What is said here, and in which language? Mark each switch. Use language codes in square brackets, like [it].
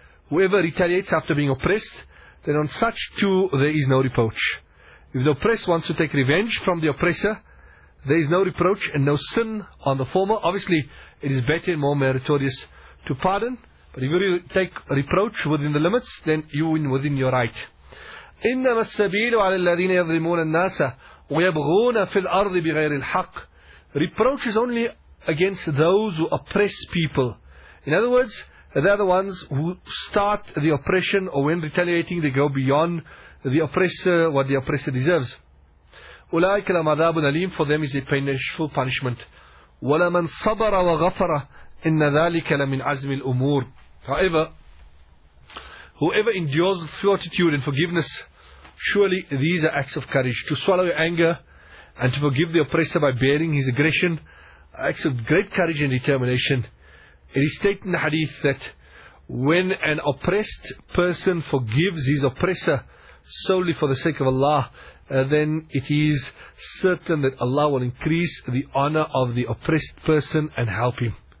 [en] Whoever retaliates after being oppressed, then on such too there is no reproach. If the oppressed wants to take revenge from the oppressor, there is no reproach and no sin on the former. Obviously, it is better and more meritorious to pardon, but if you take reproach within the limits, then you win within your right. [ar] إنما السبيل على الذين يظلمون الناس ويبغون في الأرض بغير الحق. [en] Reproach is only against those who oppress people. In other words, they are the ones who start the oppression, or when retaliating they go beyond the oppressor, what the oppressor deserves. [ar] أولئك لهم عذاب أليم, [en] for them is a painful punishment. [ar] ولمن صبر وغفر إن ذلك لمن عزم الأمور. [en] However, whoever endures with fortitude and forgiveness, surely these are acts of courage. To swallow your anger and to forgive the oppressor by bearing his aggression, acts of great courage and determination. It is stated in the hadith that when an oppressed person forgives his oppressor solely for the sake of Allah, then it is certain that Allah will increase the honor of the oppressed person and help him.